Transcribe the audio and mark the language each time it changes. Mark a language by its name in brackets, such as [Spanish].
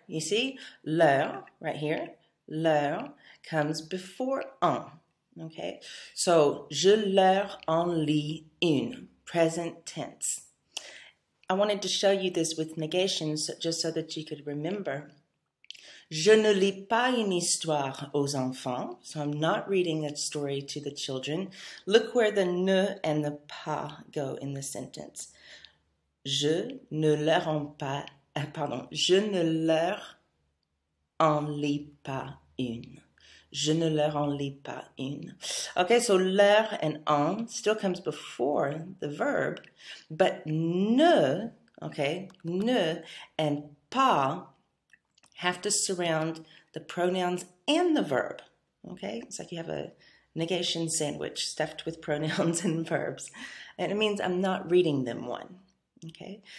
[English] You see, leur, right here, leur comes before en. [French] Okay, so je leur en lis une, [English] present tense. I wanted to show you this with negations just so that you could remember. [French] Je ne lis pas une histoire aux enfants. [English] So I'm not reading a story to the children. Look where the ne and the pas go in the sentence. [French] Je ne leur en pas, pardon, je ne leur en lis pas une. Je ne leur en lis pas une. [English] Okay, so leur and en still comes before the verb, but ne, okay, ne and pas have to surround the pronouns and the verb, okay? It's like you have a negation sandwich stuffed with pronouns and verbs, and it means I'm not reading them one, okay?